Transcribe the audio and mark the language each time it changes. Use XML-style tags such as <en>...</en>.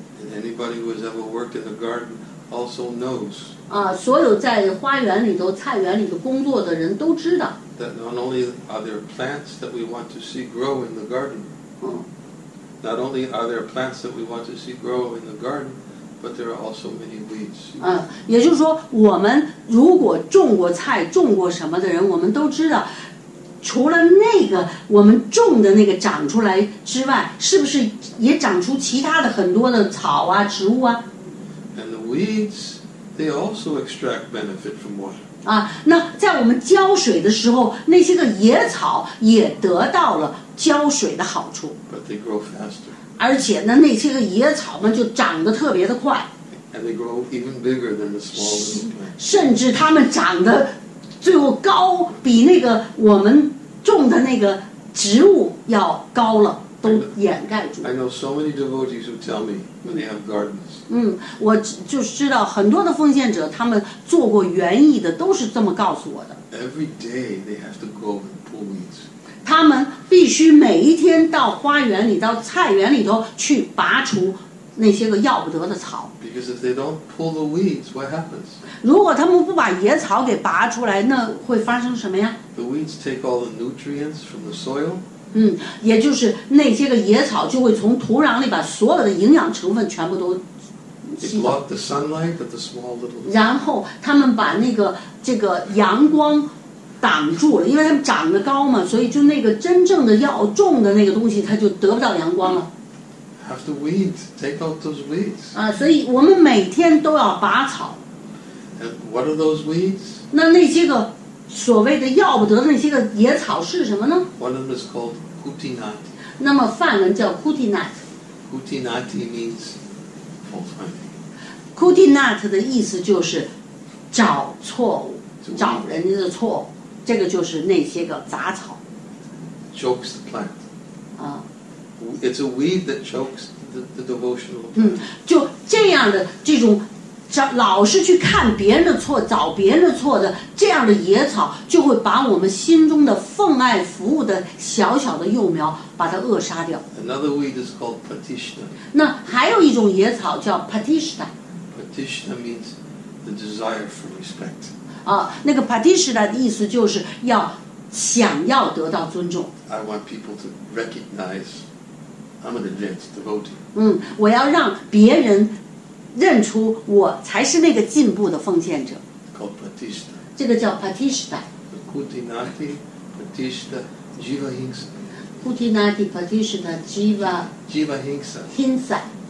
<en>And anybody who has ever worked in the garden also knows.</en> <zh>所有在花园里头、菜园里头工作的人都知道。</zh> <en>That not only are there plants that we want to see grow in the garden. Not only are there plants that we want to see grow in the garden. But there are also many weeds.</en> <zh>也就是说，我们如果种过菜、种过什么的人，我们都知道，除了那个我们种的那个长出来之外，是不是也长出其他的很多的草啊、植物啊</zh> <en>？And the weeds, they also extract benefit from water.</en> <zh>那在我们浇水的时候，那些个野草也得到了浇水的好处。</zh> <en>But they grow faster.</en> <zh>而且呢，那些个野草们就长得特别的快，</zh> <en>And they grow even bigger than the small ones.</en> <zh>甚至它们长得最后高比那个我们种的那个植物要高了，都掩盖住。</zh> <en>I know so many devotees who tell me when they have gardens.</en> <zh>我就知道很多的奉献者，他们做过园艺的都是这么告诉我的。</zh> <en>Every day they have to go and pull weeds.</en> <zh>他们必须每一天到花园里、到菜园里头去拔除那些个要不得的草。</zh> <en>Because if they don't pull the weeds, what happens?</en> <zh>如果他们不把野草给拔出来，那会发生什么呀？</zh> <en>The weeds take all the nutrients from the soil.</en> <zh>也就是那些个野草就会从土壤里把所有的营养成分全部都吸走。</zh> <en>They block the sunlight of the small little.</en> <zh>然后他们把那个这个阳光。挡住了，因为它们长得高嘛，所以就那个真正的要种的那个东西，它就得不到阳光了。</zh> <en>Have to weed, take out those weeds.</en> <zh>所以我们每天都要拔草。</zh> <en>And what are those weeds?</en> <zh>那些个所谓的要不得的那些个野草是什么呢？</zh> <en>One of them is called kutinati.</en> <zh>那么梵文叫 kutinati.</zh> <en>Kutinati means fault finding.</en> <zh>Kutinati 的意思就是找错误，找人家的错误。这个就是那些个杂草。</zh> <en>Chokes the plant. It's a weed that chokes the devotional plant.</en> <zh>就这样的这种老是去看别人的错、找别人的错的这样的野草，就会把我们心中的奉爱服务的小小的幼苗把它扼杀掉。</zh> <en>Another weed is called patishta.</en> <zh>那还有一种野草叫 patishta.</zh> <en>Patishta means the desire for respect.</en> <zh>那个 patishta 的意思就是要想要得到尊重。</zh> <en>I want people to recognize I'm an advanced devotee.</en> <zh>我要让别人认出我才是那个进步的奉献者。</zh> <en>Called patishta.</en> <zh>这个叫 patishta.</zh> <sa>Kutinati, patishta, jiva hinsa. Kutinati, patishta, jiva hinsa. Hinsa.</sa>